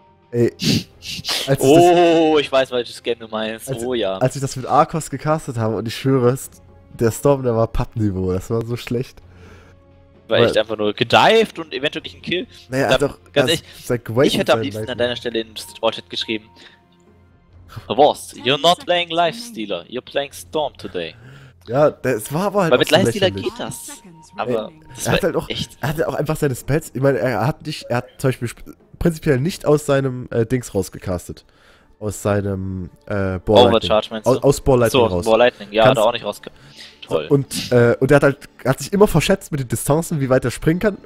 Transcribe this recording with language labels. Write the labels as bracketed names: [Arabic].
[German] Ich weiß, welches Game du meinst. Als ich das mit Arcos gecastet habe und ich schwöre es, der Storm, der war Pappniveau, das war so schlecht. War echt einfach nur gedived und eventuell ein Kill. Naja, doch, ganz ehrlich, ich hätte am liebsten an deiner Stelle in Wallchat geschrieben. [English] Wurst, you're not playing Lifestealer, you're playing Storm today. [German] Ja, das war aber halt auch so lächerlich. Weil mit Lifestealer geht das. Aber er hat halt auch, echt. Er hat auch einfach seine Spells. Ich meine, er hat zum Beispiel prinzipiell nicht aus seinem Dings rausgecastet. Aus seinem Ball Lightning. Overcharge meinst du? Aus Ball Lightning raus. So, Ball Lightning, ja, hat er auch nicht rausgecastet. Toll. Und er hat sich immer verschätzt mit den Distanzen, wie weit er springen kann.